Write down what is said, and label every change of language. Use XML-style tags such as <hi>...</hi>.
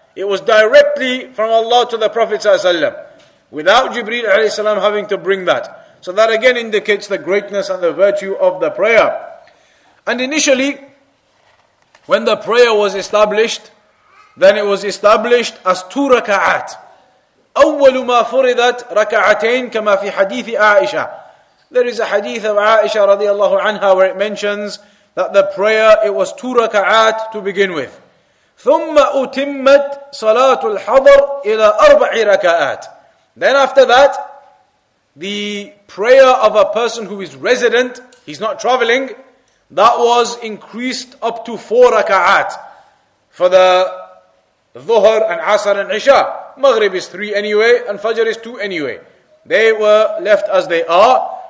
<en>It was directly from Allah to the Prophet sallallahu alayhi wa sallam, without Jibreel alayhi salam having to bring that. So that again indicates the greatness and the virtue of the prayer. And initially, when the prayer was established, then it was established as 2 raka'at.</en> <ar>أول ما فرضت ركعتين كما في حديث عائشة.</ar> <en>There is a hadith of Aisha radiallahu anha where it mentions that the prayer, it was 2 raka'at to begin with.</en> <ar>ثم أتمت صلاة الحضر إلى 4 raka'at.</ar> <en>Then after that, the prayer of a person who is resident, he's not traveling, that was increased up to 4 raka'at for the Dhuhr and Asr and Isha. Maghrib is 3 anyway, and Fajr is 2 anyway. They were left as they are.</en>